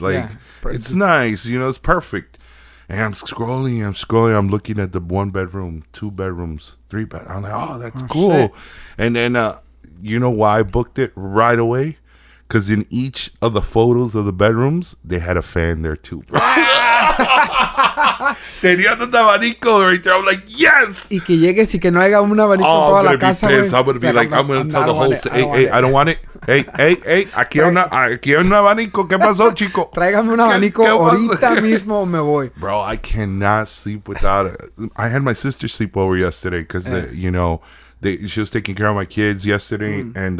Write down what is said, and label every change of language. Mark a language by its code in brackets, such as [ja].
[en] Like, yeah, it's nice. You know, it's perfect. And I'm scrolling. I'm looking at the one bedroom, two bedrooms, three bedrooms. I'm like, oh, that's cool. Shit. And then, you know why I booked it right away? Because in each of the photos of the bedrooms, they had a fan there too. [es] Tenían un abanico [en] right there. I'm like, yes! [es] Y que llegues y que no haya un abanico en toda la casa. [en] I'm going to be pissed. Like, I'm going to tell the host, hey, I don't want it. [es] Hey, aquí hay un abanico. ¿Qué pasó, chico? Tráigame un abanico ahorita mismo me voy. [en] Bro, I cannot sleep without it. I had my sister sleep over yesterday because, you know, she was taking care of my kids yesterday. Mm.